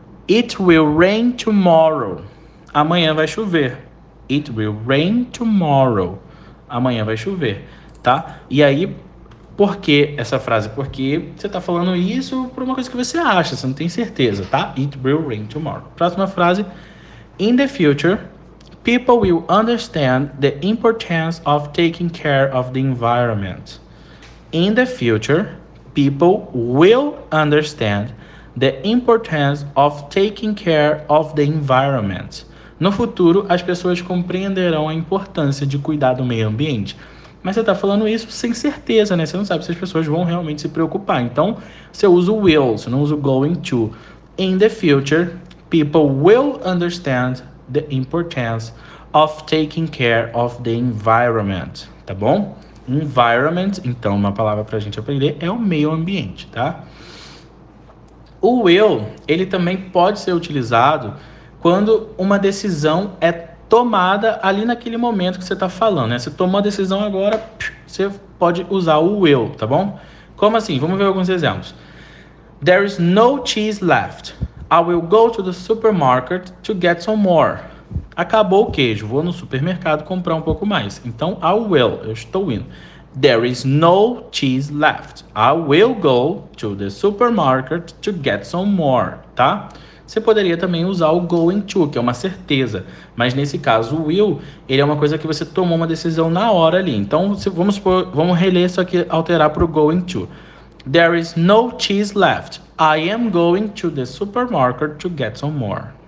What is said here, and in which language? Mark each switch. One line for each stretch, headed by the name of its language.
English: It will rain tomorrow.
Portuguese: Amanhã vai chover.
English: It will rain tomorrow.
Portuguese: Amanhã vai chover, tá? E aí, por que essa frase? Porque você tá falando isso por uma coisa que você acha, você não tem certeza, tá?
English: It will rain tomorrow.
Portuguese: Próxima frase.
English: In the future, people will understand the importance of taking care of the environment. In the future, people will understand the importance of taking care of the environment.
Portuguese: No futuro, as pessoas compreenderão a importância de cuidar do meio ambiente. Mas você está falando isso sem certeza, né? Você não sabe se as pessoas vão realmente se preocupar. Então, você usa o will, você não usa o going to.
English: In the future, people will understand the importance of taking care of the environment.
Portuguese: Tá bom? Environment, então, uma palavra para a gente aprender é o meio ambiente, tá? O will, ele também pode ser utilizado quando uma decisão é tomada ali naquele momento que você está falando, né? Você tomou a decisão agora, você pode usar o will, tá bom? Como assim? Vamos ver alguns exemplos.
English: There is no cheese left. I will go to the supermarket to get some more.
Portuguese: Acabou o queijo, vou no supermercado comprar um pouco mais. Então,
English: I will,
Portuguese: eu estou indo.
English: There is no cheese left. I will go to the supermarket to get some more, tá?
Portuguese: Você poderia também usar o going to, que é uma certeza. Mas nesse caso, o will, ele é uma coisa que você tomou uma decisão na hora ali. Então, vamos reler isso aqui, alterar para o going to.
English: There is no cheese left. I am going to the supermarket to get some more.